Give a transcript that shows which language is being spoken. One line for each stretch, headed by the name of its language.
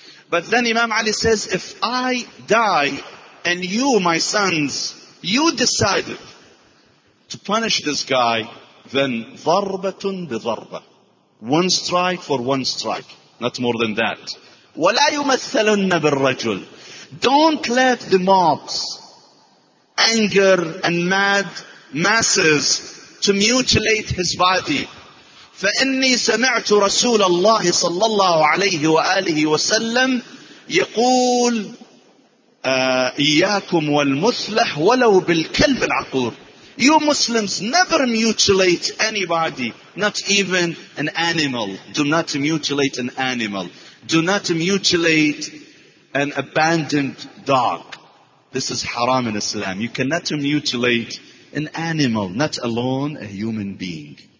English: But then Imam Ali says, if I die and you, my sons, you decided to punish this guy, then
Arabic: ضربةٌ بِضربةٌ.
English: One strike for one strike, not more than that.
Arabic: وَلَا يُمَثَّلُنَّ بِالرَّجُلِ.
English: Don't let the mobs, anger and mad masses, to mutilate his body.
Arabic: فَإِنِّي سَمِعْتُ رَسُولَ اللَّهِ صَلَّى اللَّهُ عَلَيْهِ وَآلِهِ وَسَلَّمْ يقول إياكم والمثلح ولو بالكلب العقور.
English: You Muslims never mutilate anybody, not even an animal. Do not mutilate an animal. Do not mutilate an abandoned dog. This is haram in Islam. You cannot mutilate an animal, not alone a human being.